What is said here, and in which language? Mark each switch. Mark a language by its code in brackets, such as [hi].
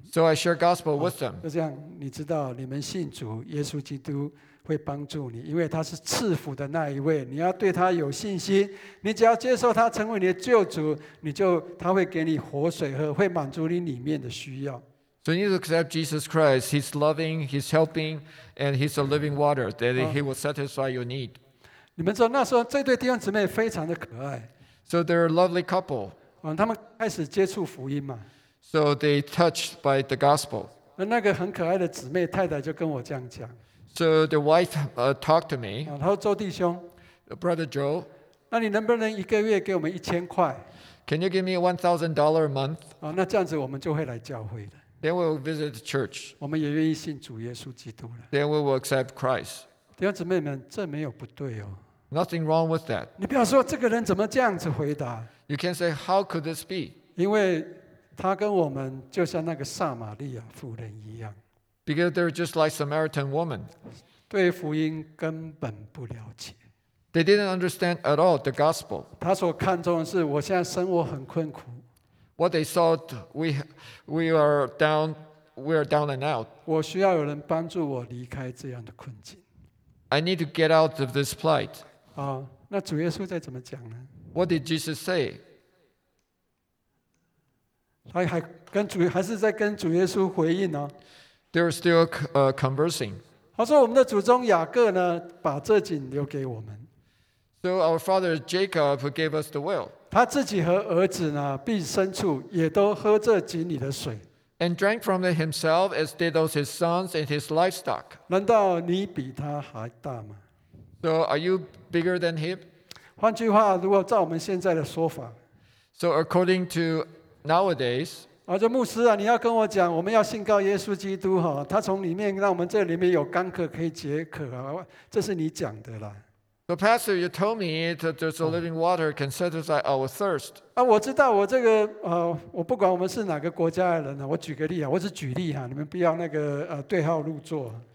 [en] So I share gospel with them. [zh] 就这样，你知道你们信主，耶稣基督会帮助你，因为他是赐福的那一位，你要对他有信心。你只要接受他成为你的救主，你就他会给你活水喝，会满足你里面的需要。 [en] So you need to accept Jesus Christ. He's loving, He's helping, and He's a living water that He will satisfy your need. [zh] 你们知道那时候这对弟兄姊妹非常的可爱。 [en] So they're a lovely couple. [zh] 他们开始接触福音嘛。 [en] So they touched by the gospel. [zh] 那个很可爱的姊妹太太就跟我这样讲。 [en] So the wife talked to me. [zh] 她说周弟兄 [en] ，Brother Joe， [zh] 那你能不能一个月给我们1000块 [en] ？Can you give me $1,000 a month？ [zh] 那这样子我们就会来教会的。 [en] Then we will visit the church. [zh] 我们也愿意信主耶稣基督了。 [en] Then we will accept Christ. [zh] 弟兄姊妹们，这没有不对哦。 [en] Nothing wrong with that. [zh] 你不要说这个人怎么这样子回答。 [en] You can say how could this be? [zh] 因为他跟我们就像那个撒玛利亚妇人一样。 [en] Because they're just like Samaritan woman. [zh] 对福音根本不了解。 [en] They didn't understand at all the gospel. [zh] 他所看重的是我现在生活很困苦。 [en] What they thought we are down and out. [zh] 我需要有人帮助我离开这样的困境。 [en] I need to get out of this plight. [zh] 那主耶稣在怎么讲呢 [en] ？What did Jesus say? [zh] 他还跟主还是在跟主耶稣回应呢 [en] ？They're still conversing. [zh] 他说我们的祖宗雅各呢，把这井留给我们。 [en] So our father Jacob who gave us the well. [zh] 他自己和儿子呢，并牲畜也都喝这井里的水。 [en] And drank from it himself as did those his sons and his livestock. [zh] 难道你比他还大吗 [en] ？So are you bigger than him? [zh] 换句话，如果照我们现在的说法 [en] ，So according to nowadays, [zh] 说牧师啊，你要跟我讲，我们要信靠耶稣基督，他从里面让我们这里面有干渴可以解渴，这是你讲的啦。 [en] So pastor, you told me that there's a living water can satisfy our thirst. [zh] 啊，我知道我这个我不管我们是哪个国家的人呢，我举个例啊，我只举例哈，你们不要那个对号入座。